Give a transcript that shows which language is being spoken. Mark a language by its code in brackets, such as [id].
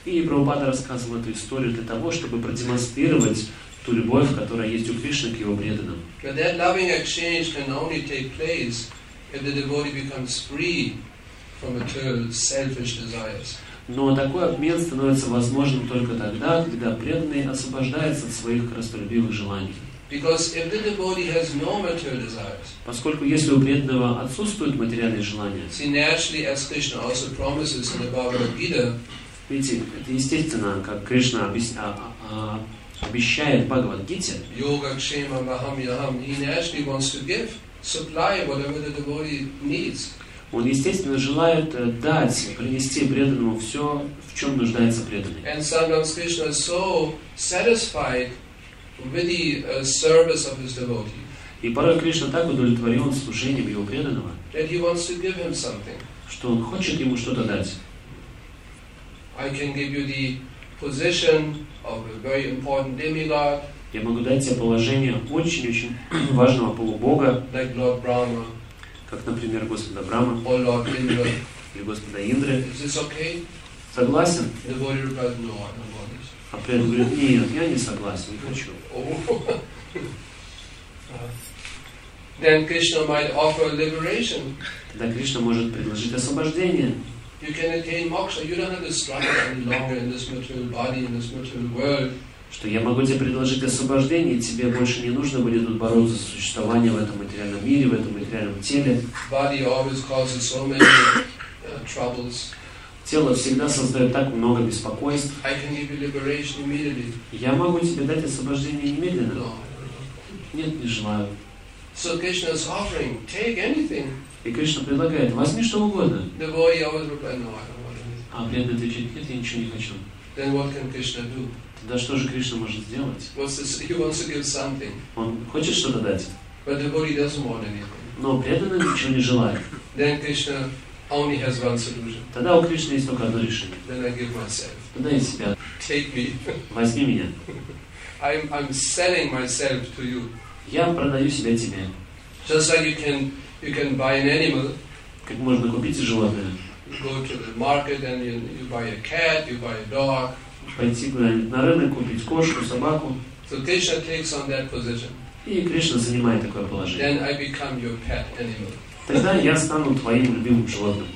[ru] И Прабхупада рассказывал эту историю для того, чтобы продемонстрировать ту любовь, которая есть у Кришны к его преданным. [en] But that loving exchange can only take place and the devotee becomes free from eternal selfish desires. [ru] Но такой обмен становится возможным только тогда, когда преданный освобождается от своих корыстолюбивых желаний. [en] Because if the devotee has no material desires, [ru] поскольку если у преданного отсутствуют материальные желания, [en] see, naturally, as Krishna also promises in the Bhagavad Gita, [ru] видите, это естественно, как Кришна обещает в Бхагавад Гите, [sa] Yoga Kshema Maham Yaham, [en] he naturally wants to give, supply whatever the devotee needs. [ru] Он, естественно, желает дать, принести преданному все, в чем нуждается преданный. [en] And sometimes Krishna is so satisfied with the service of his devotee. [ru] И порой Кришна так удовлетворен служением его преданного, [en] that he wants to give him something. [ru] Что он хочет ему что-то дать. [en] I can give you the position of a very important demigod. [ru] Я могу дать тебе положение очень-очень важного полубога. [en] Like Lord Brahma. [ru] Как, например, Господа Брама или Господа Индры. [en] Okay? [ru] Согласен? [en] Replied, no, [ru] а преданный говорит, нет, я не согласен, не хочу. [en] Then Krishna might offer liberation. [ru] Тогда Кришна может предложить освобождение. [en] You can attain moksha, you don't have to struggle any longer in this material body, in this material world. [ru] Что я могу тебе предложить освобождение, тебе больше не нужно будет тут бороться за существование в этом материальном мире, в этом материальном теле. [en] Body always causes so many troubles. [ru] Тело всегда создает так много беспокойств. [en] I can give you liberation immediately. [ru] Я могу тебе дать освобождение немедленно. [en] No. [ru] Нет, не желаю. [en] So Krishna is offering, take anything. [ru] И Кришна предлагает, возьми что угодно. [en] The boy always replied, no, I don't want anything. [ru] А преданный отвечает, нет, я ничего не хочу. [en] Then what can Krishna do? [ru] Да что же Кришна может сделать? [en] He wants to give something. [ru] Он хочет что-то дать. [en] But the body doesn't want anything. [ru] Но преданный ничего не желает. [en] Then Krishna only has one solution. [ru] Тогда у Кришны есть только одно решение. [en] Then I give myself. [ru] Тогда я себя. [en] Take me. [ru] Возьми меня. [en] I'm selling myself to you. [ru] Я продаю себя тебе. [en] Just like you can buy an animal. [ru] Как можно купить животное? [en] Go to the market and you buy a cat, you buy a dog. [ru] Пойти куда-нибудь на рынок, купить кошку, собаку. [en] So Krishna takes on that position. [ru] И Кришна занимает такое положение. [en] Then I become your pet animal. [ru] Тогда я стану твоим любимым животным.